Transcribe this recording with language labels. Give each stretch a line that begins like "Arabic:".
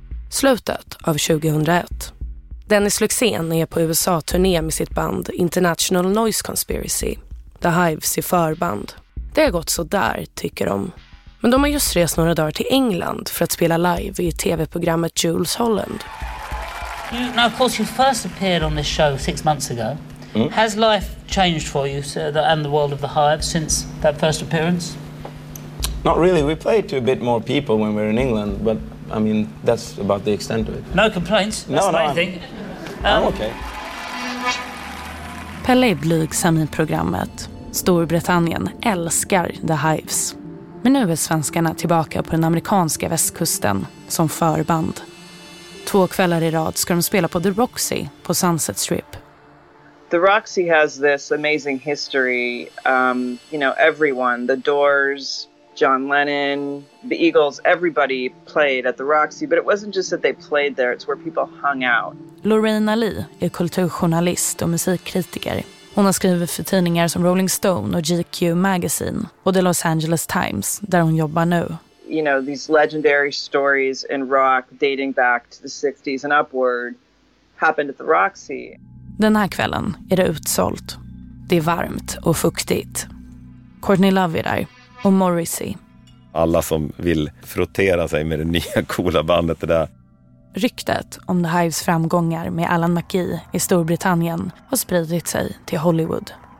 Swedish: Slutet av 2001. Dennis Luxén är på USA-turné med sitt band International Noise Conspiracy. The Hives i förband. Det har gått så där, tycker de. Men de har just rest några dagar till England för att spela live i tv-programmet Jules Holland.
English: Now, of course, you first appeared on this show 6 months ago. Mm. Has life changed for you, sir, and the world of The Hives since that first appearance? Not really. We play to a bit more people when we're in England, but I mean that's about the extent of it. No complaints. That's no, anything. I'm okay.
Swedish: Pelle är blygsam i programmet. Storbritannien älskar The Hives. Men nu är svenskarna tillbaka på den amerikanska västkusten som förband. Två kvällar i rad ska de spela på The Roxy på Sunset Strip.
English: The Roxy has this amazing history. You know, everyone, The Doors, John Lennon, the Eagles, everybody played at the Roxy, but it wasn't just that they played there, it's where people hung out.
Swedish: Lorena Lee är kulturjournalist och musikkritiker. Hon har skrivit för tidningar som Rolling Stone och GQ Magazine och The Los Angeles Times, där hon jobbar nu.
English: You know, these legendary stories in rock dating back to the 60s and upward happened at the Roxy.
Swedish: Den här kvällen är det utsålt. Det är varmt och fuktigt. Courtney Love är där. Och Morrissey. Alla som vill frottera sig med det nya coola bandet där. Ryktet om The Hives framgångar med Alan McGee i Storbritannien har spridit sig till Hollywood.